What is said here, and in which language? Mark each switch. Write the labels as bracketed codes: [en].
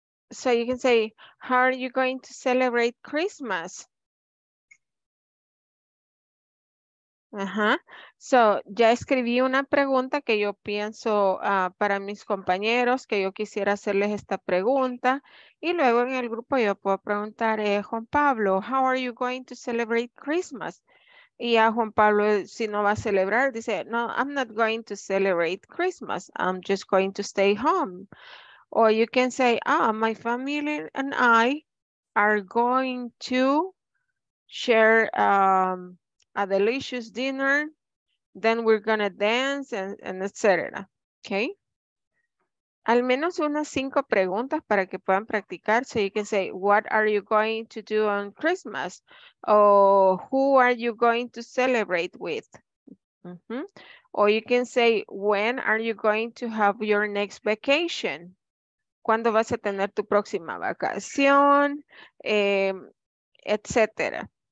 [en] So you can say, how are you going to celebrate Christmas? [es] So ya escribí una pregunta que yo pienso para mis compañeros, que yo quisiera hacerles esta pregunta. Y luego en el grupo yo puedo preguntar, Juan Pablo, [en] how are you going to celebrate Christmas? [es] Y a Juan Pablo, si no va a celebrar, dice, no, [en] I'm not going to celebrate Christmas. I'm just going to stay home. Or you can say, oh, my family and I are going to share a delicious dinner, then we're gonna dance and etc. Okay. [es] Al menos unas 5 preguntas para que puedan practicar. [en] So you can say, what are you going to do on Christmas? Or who are you going to celebrate with? Or you can say, when are you going to have your next vacation? [es] ¿Cuándo vas a tener tu próxima vacación? Etc.